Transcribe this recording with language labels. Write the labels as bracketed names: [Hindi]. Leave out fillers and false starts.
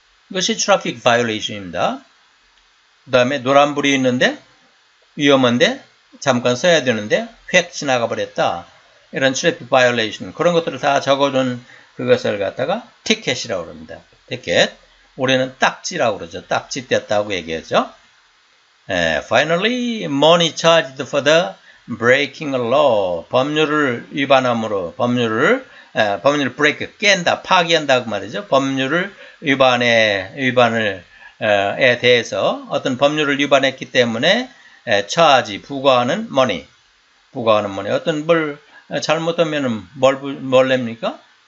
[Korean] 이것이 트래픽 바이올레이션입니다. 그 다음에 노란불이 있는데 위험한데 잠깐 서야 되는데 휙 지나가 버렸다. 이런 트래픽 바이올레이션 그런 것들을 다 적어둔 그것을 갖다가 티켓이라고 합니다. 티켓. 우리는 딱지라고 그러죠. 딱지 뗐다고 얘기하죠. [English] Finally, money charged for the breaking a law. [Korean] 법률을 위반함으로 법률을 break, 깬다, 파기한다고 말이죠. 법률을 위반에 대해서 어떤 법률을 위반했기 때문에 charge, 부과하는 money. 어떤 뭘 잘못하면 뭘 냅니까?